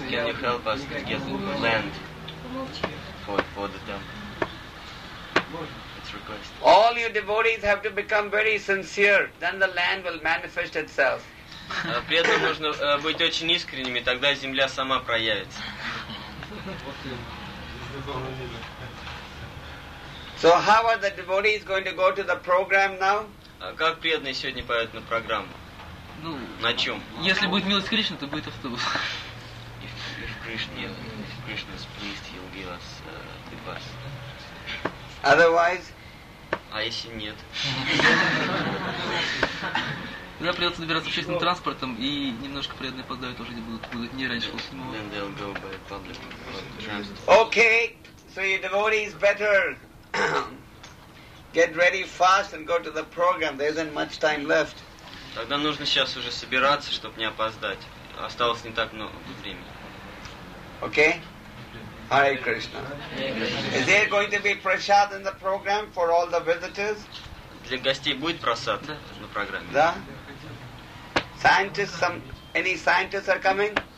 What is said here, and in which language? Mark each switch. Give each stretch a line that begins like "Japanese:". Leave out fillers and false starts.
English: Can you help us to get land for the temple? It's request. All you devotees have to become very sincere. Then the land will manifest itself.
Russian: При этом нужно быть очень искренними, тогда земля сама проявится.
English: So how are the devotees going to go to the program now?
Russian: Как преданные сегодня поедут на программу? Ну, на чем? Если будет милость Кришны, то будет автобус.
English: If Krishna is pleased, he'll give us the bus. Otherwise?
Russian: А если нет? Тогда придется добираться общественным транспортом, и немножко преданные опоздают, уже не будут, не раньше 8-го.
English: Then they'll go by public transport. Okay, so your devotee is better. Get ready fast and go to the program. There isn't much time left.
Russian: Тогда нужно сейчас уже собираться, чтобы не опоздать. Осталось не так много времени.
English: Okay. Hare Krishna. Is there going to be prasad in the program for all the visitors?
Russian: Для гостей будет прасад на программе. Да.
English: Scientists, any scientists are coming?